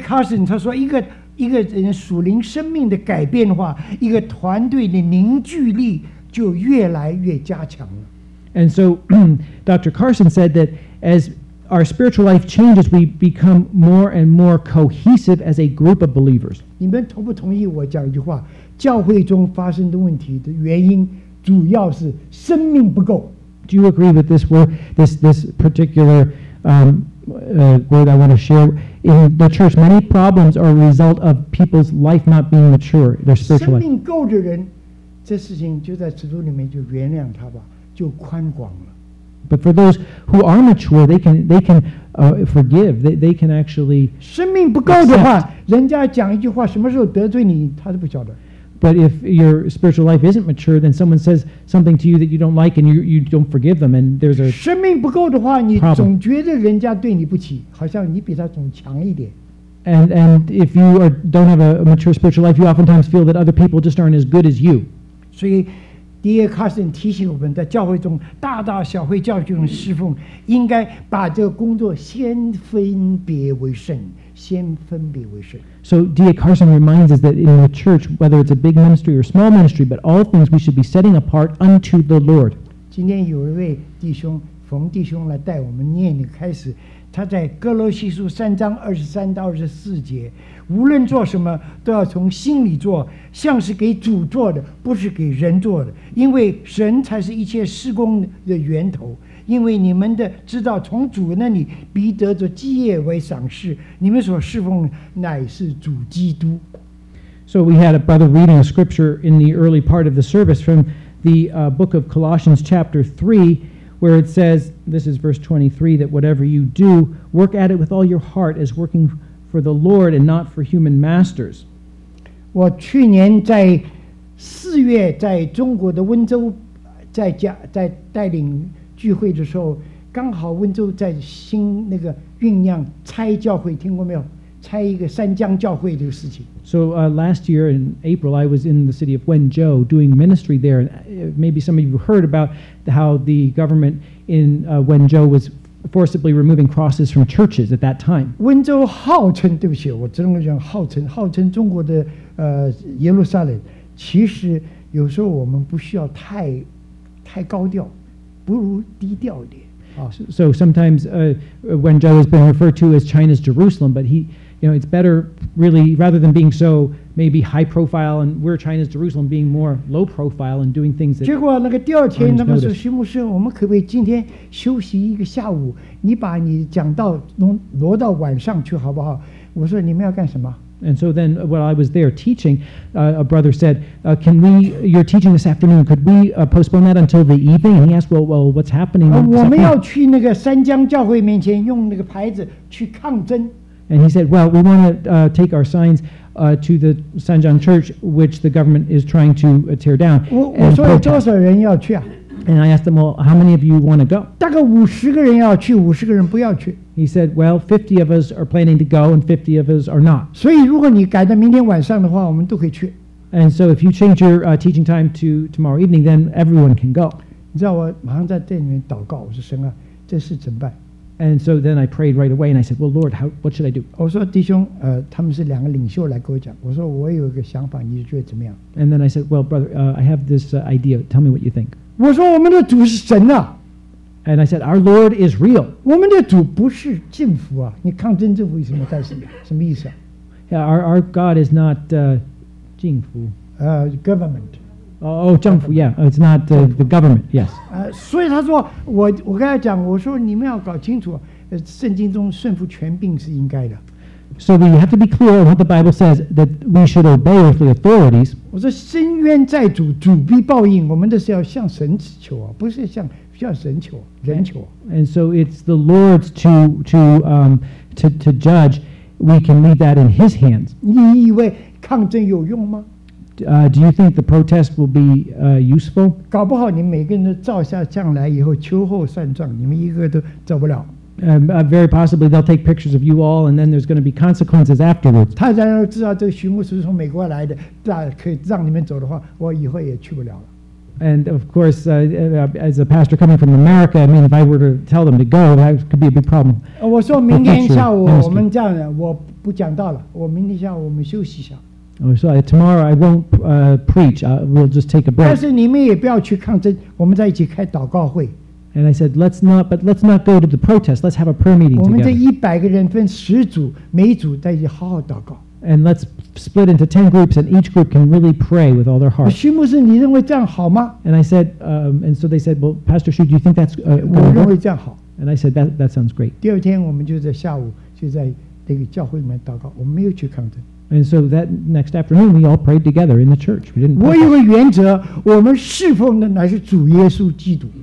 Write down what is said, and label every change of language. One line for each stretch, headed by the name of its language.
Chinese: Carson,
English: he said,
Chinese: 一个人属灵生命的改变的话，一个团队的凝聚力就越来越加强了。
English: And so Dr. Carson said that as our spiritual life changes, we become more and more cohesive as a group of believers.
Chinese: 你们同不同意我讲一句话？教会中发生的问题的原因，主要是生命不够。
English: Do you agree with this word, this particular word I want to share? In the church, many problems are a result of people's life not being mature, their spiritual life.
Chinese: 生命够的人，这事情就在基督里面就原谅他吧，就宽广了。
English: But for those who are mature, they can forgive. They can actually accept.
Chinese: 生命不够的话，人家讲一句话，什么时候得罪你，他都不晓得。
English: But if your spiritual life isn't mature, then someone says something to you that you don't like and you don't forgive them, and there's a
Chinese: 生命不够的话，你总觉得人家对你不起，好像你比他总强一点。
English: And if you don't have a mature spiritual life, you oftentimes feel that other people just aren't as good as you.
Chinese: 所以 D.A. Carson 提醒我们，在教会中大大小会教会中侍奉，应该把这个工作先分别为圣。先分别为圣。
English: So D.A. Carson reminds us that in the church, whether it's a big ministry or small ministry, but all things we should be setting apart unto the Lord.
Chinese: 今天有一位弟兄，冯弟兄来带我们念的开始，他在哥罗西书三章二十三到二十四节，无论做什么都要从心里做，像是给主做的，不是给人做的，因为神才是一切事工的源头。因为你们的知道从主那里必得着基业为赏赐，你们所侍奉乃是主基督。
English: So we had a brother reading a scripture in the early part of the service from the book of Colossians chapter 3, where it says, this is verse 23, that whatever you do, work at it with all your heart as working for the Lord and not for human masters.
Chinese: 我去年在四月在中国的温州在带领聚会的时候，刚好温州在新那个酝酿拆教会，听过没有？拆一个三江教会这个事情。
English: So last year in April, I was in the city of Wenzhou doing ministry there. Maybe some of you heard about how the government in Wenzhou was forcibly removing crosses from churches at that time.
Chinese: 温州号称，对不起，我只能讲号称中国的耶路撒冷。其实有时候我们不需要太高调。不如低调一点。
English: So sometimes Wenzhou has been referred to as China's Jerusalem, but it's better really rather than being so maybe high profile and we're China's Jerusalem being more low profile and doing things that.
Chinese: 结果那个第二天，他们说徐牧师，我们可不可以今天休息一个下午？你把你讲到挪到晚上去好不好？我说你们要干什么？
English: And so then while I was there teaching, a brother said, can we, you're teaching this afternoon, could we postpone that until the evening? And he asked, well what's happening?
Chinese: 我们要去那个三江教会面前用那个牌子去抗争。
English: And he said, well, we want to take our signs to the Sanjiang church, which the government is trying to tear down.
Chinese: 我说有多少人要去啊？
English: And I asked them, well, how many of you want to go?
Chinese: 大概五十个人要去，五十个人不要去。
English: He said, well, 50 of us are planning to go and 50 of us are not.
Chinese: 所以如果你改到明天晚上的话，我们都可以去。
English: And so if you change your teaching time to tomorrow evening, then everyone can go.
Chinese: 你知道我马上在殿里面祷告，我说神啊，这事怎么办？
English: And so then I prayed right away and I said, well, Lord, what should I do?
Chinese: 我说弟兄，他们是两个领袖来跟我讲，我说我有一个想法，你觉得怎么样？
English: And then I said, well, brother, I have this idea. Tell me what you think.
Chinese: 我说我们的主是神啊
English: And I said, our Lord is real.
Chinese: 我们的主不是政府啊，你抗争政府有什么干什么？什么意思啊？
English: Yeah, our God is not
Chinese: 政府。
English: Government. Oh,
Chinese: 政府
English: yeah, it's not the government, yes.
Chinese: 所以他说我跟他讲，我说你们要搞清楚，圣经中顺服权柄是应该的。
English: So we have to be clear on what the Bible says, that we should obey earthly authorities.
Chinese: 我说深渊在主，主必报应。我们这是要向神求啊，不是向神求，人求。
English: And so it's the Lord's to judge. We can leave that in his hands.
Chinese: 你以为抗争有用吗？
English: Do you think the protest will be useful?
Chinese: 搞不好你每个人都照下将来以后，秋后算账，你们一个都走不了。
English: Very possibly they'll take pictures of you all and then there's going to be consequences afterwards.
Chinese: 他然后知道这个徐牧师是从美国来的，可以让你们走的话，我以后也去不了了。
English: And of course, as a pastor coming from America, I mean, if I were to tell them to go, that could be a big problem.
Chinese: 我说明天下午我们这样的，我不讲道了，我明天下午我们休息一下。
English: Oh, so tomorrow I won't preach, we'll just take a break.
Chinese: 但是你们也不要去抗争，我们在一起开祷告会。
English: And I said, let's not go to the protest. Let's have a prayer meeting together.
Chinese: 我们这一百个人分十组，每组在一起好好祷告。
English: And let's split into 10 groups, and each group can really pray with all their heart.
Chinese: 徐牧师，你认为这样好吗？
English: And I said, and so they said, well, Pastor Xu, do you think that's good?
Chinese: 我认为这样好。
English: And I said, that sounds great.
Chinese: 第二天我们就在下午就在那个教会里面祷告，我们没有去抗争。
English: And so that next afternoon, we all prayed together in the church. We didn't.
Chinese: 我有个原则，我们侍奉的乃是主耶稣基督。